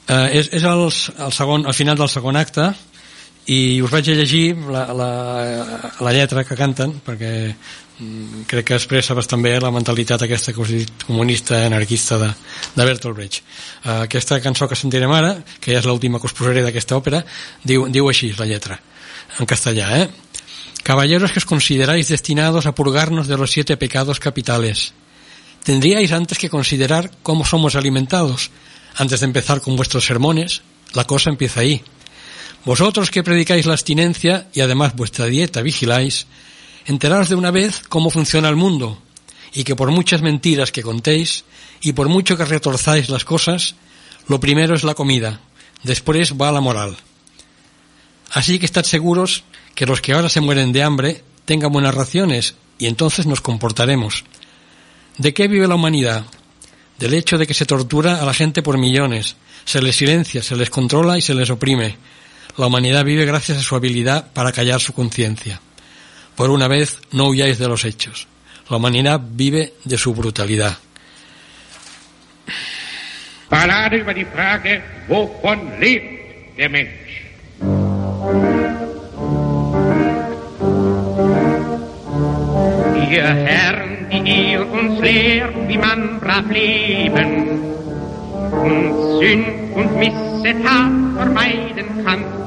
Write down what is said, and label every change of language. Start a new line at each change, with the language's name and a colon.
Catalan: És el final del segon acte, i us vaig a llegir la lletra que canten, perquè crec que expressa bastant bé la mentalitat aquesta que us he dit, comunista, anarquista de Bertolt Brecht. Aquesta cançó que sentirem ara, que ja és l'última que us posaré d'aquesta òpera, diu així la lletra, en castellà, eh?
Spanish: Caballeros que os consideráis destinados a purgarnos de los 7 pecados capitales, tendríais antes que considerar cómo somos alimentados. Antes de empezar con vuestros sermones, la cosa empieza ahí. Vosotros que predicáis la abstinencia y además vuestra dieta vigiláis, enteraos de una vez cómo funciona el mundo, y que por muchas mentiras que contéis y por mucho que retorzáis las cosas, lo primero es la comida, después va la moral. Así que estad seguros que los que ahora se mueren de hambre tengan buenas raciones y entonces nos comportaremos. ¿De qué vive la humanidad? Del hecho de que se tortura a la gente por millones, se les silencia, se les controla y se les oprime. La humanidad vive gracias a su habilidad para callar su conciencia. Por una vez, no huyáis de los hechos. La humanidad vive de su brutalidad.
German: Parade über die Frage, wovon lebt der Mensch? Ihr Herren, die ihr uns lehrt, wie man brav leben und Sünd und Missetat vermeiden kann.